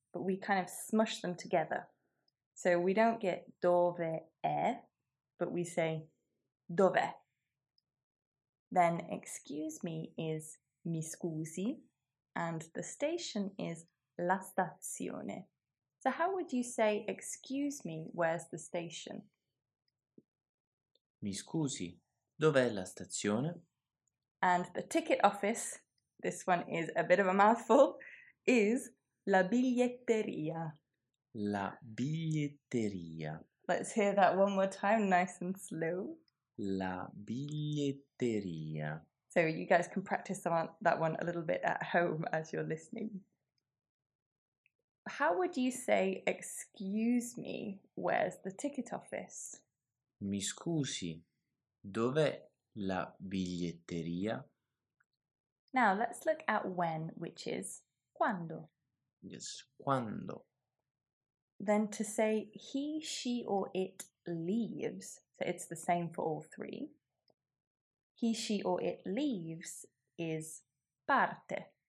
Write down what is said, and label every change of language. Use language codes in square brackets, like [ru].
[en] But we kind of smush them together. So we don't get [it] dove è, [en] but we say dove. Then excuse me is [it] mi scusi, [en] and the station is [it] la stazione. [en] So how would you say excuse me, where's the station? [it] Mi scusi, dov'è la stazione? [en] And the ticket office, this one is a bit of a mouthful, is [it] la biglietteria. La biglietteria. [en] Let's hear that one more time, nice and slow. [it] La biglietteria. [en] So you guys can practice that one a little bit at home as you're listening. How would you say, excuse me, where's the ticket office? [it] Mi scusi, dov'è la biglietteria? [en] Now let's look at when, which is [it] quando. [en] Yes, [it] quando. [en] Then to say he, she, or it leaves, so it's the same for all three. He, she, or it leaves is [it] parte.